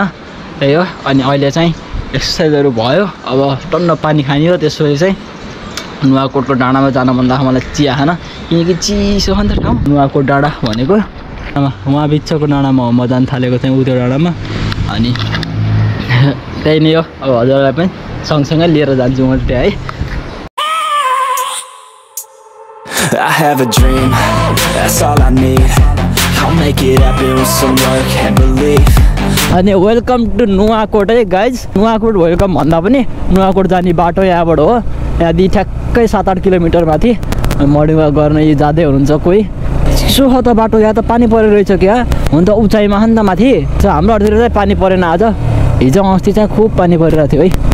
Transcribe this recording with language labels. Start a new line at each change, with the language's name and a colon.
Nepali: त्यही हो, अनि अहिले चाहिँ एक्सर्साइजहरू भयो, अब टन्न पानी खाने हो, त्यसपछि चाहिँ नुवाकोटको डाँडामा जान मन लाग्छ मलाई, चिया खान, किनकि चिसो छ नि त ठाउँ। नुवाकोट डाँडा भनेको उहाँ बिचको डाँडामा म जान थालेको चाहिँ उत्यो डाँडामा, अनि त्यही नै हो, अब हजुरलाई पनि सँगसँगै लिएर जान्छु म त्यहाँ है।
English: I have a dream, that's all I need. I'll make it happen with some work and belief.
Nepali: अनि
English: welcome to
Nepali: नुवाकोट है गाइज। नुवाकोट वेलकम भन्दा पनि नुवाकोट जाने बाटो यहाँबाट हो, यहाँदेखि ठ्याक्कै 7-8 किलोमिटर माथि मर्निङ वाक गर्न यी जाँदै हुनुहुन्छ कोही, चिसो छ त बाटो, यहाँ त पानी परेको रहेछ क्या, हुन त उचाइमा छ नि त माथि, हाम्रोहरूतिर चाहिँ पानी परेन आज, हिजो अस्ति चाहिँ खुब पानी परिरहेको थियो है।